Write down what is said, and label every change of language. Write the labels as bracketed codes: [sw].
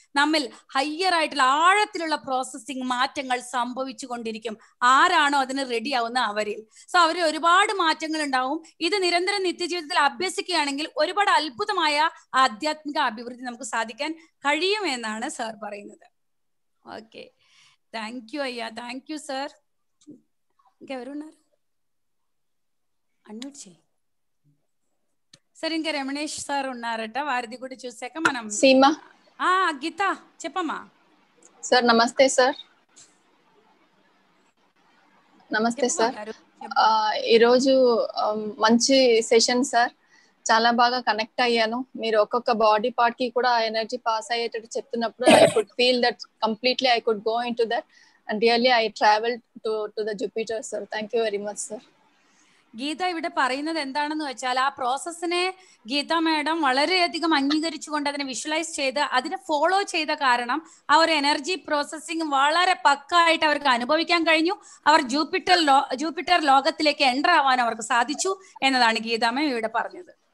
[ml] നമ്മിൽ ഹയ്യർ ആയിട്ടുള്ള ആഴത്തിലുള്ള പ്രോസസ്സിംഗ് മാറ്റങ്ങൾ സംഭവിച്ചു കൊണ്ടിരിക്കും ആരാണോ അതിന് റെഡിയാവുന്ന അവരിൽ സോ അവരെ ഒരുപാട് മാറ്റങ്ങൾ ഉണ്ടാവും ഇത് നിരന്തരം നിത്യജീവിതത്തിൽ അഭ്യസിക്കുകയാണെങ്കിൽ ഒരുപാട് അത്ഭുതമായ ആധ്യാത്മിക അഭിവൃദ്ധി നമുക്ക് സാധിക്കാൻ കഴിയുമെന്നാണ് സാർ പറയുന്നത് [en] okay thank you അയ്യ thank you sir [te] ఇంకెవరున్నారు అన్మ్యూట్ చేయి సార్. ఇంకా రమణేష్ సార్ ఉన్నారట, వారిది కూడా చూసాక మనం. సీమ గీత చెప్పమ్మా. సార్ నమస్తే సార్. నమస్తే సార్. ఈరోజు మంచి సెషన్ సార్, చాలా బాగా కనెక్ట్ అయ్యాను. మీరు ఒక్కొక్క బాడీ పార్ట్ కి కూడా ఎనర్జీ పాస్ అయ్యేటట్టు చెప్తున్నప్పుడు [en] I could feel that completely, I could go into that and really I travel to the Jupiter sir. Thank you very much. Sir, [ml] Geetha ഇവിടെ പറയുന്നത് എന്താണെന്ന് വെച്ചാൽ ആ പ്രോസസ്സിനെ ഗീത മാഡം വളരെയധികം അംഗീകരിച്ചുകൊണ്ട് അതിനെ വിഷ്വലൈസ് ചെയ്ത് അതിനെ ഫോളോ ചെയ്ത കാരണം ആ ഒരു എനർജി പ്രോസസ്സിംഗ് വളരെ പക്കായിട്ട് അവർക്ക് അനുഭവിക്കാൻ കഴിഞ്ഞു. അവർ ജൂപ്പിറ്റർ ലോകത്തിലേക്ക് എൻ്റർ ആവാൻ അവർക്ക് സാധിച്ചു എന്നതാണ് ഗീതാമ്മ ഇവിടെ പറഞ്ഞത്.